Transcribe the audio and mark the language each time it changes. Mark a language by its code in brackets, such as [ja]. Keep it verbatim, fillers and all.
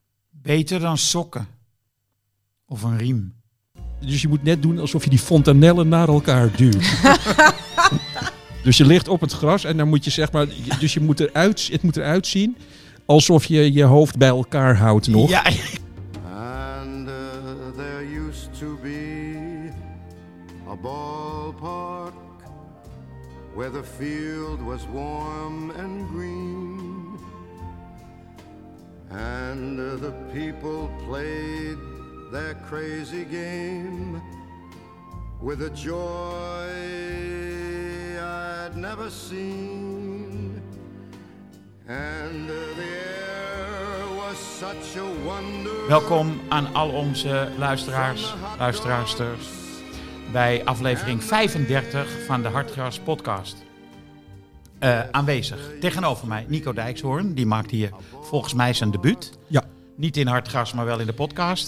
[nl] Beter dan sokken. Of een riem. Dus je moet net doen alsof je die fontanellen naar elkaar duwt. Dus je ligt op het gras en dan moet je zeg maar... Dus je moet eruit, het moet eruit zien alsof je je hoofd bij elkaar houdt nog. Ja. [en] And uh, there used to be a ballpark where the field was warm and green. And uh, the people played their crazy game with a joy I'd never seen. And uh, the air was such a wonder. [nl] Welkom aan al onze luisteraars, luisteraarsters bij aflevering vijfendertig van de Hartgras podcast. Uh, aanwezig. Tegenover mij Nico Dijkshoorn. Die maakt hier volgens mij zijn debuut. Ja. Niet in Hartgras, maar wel in de podcast.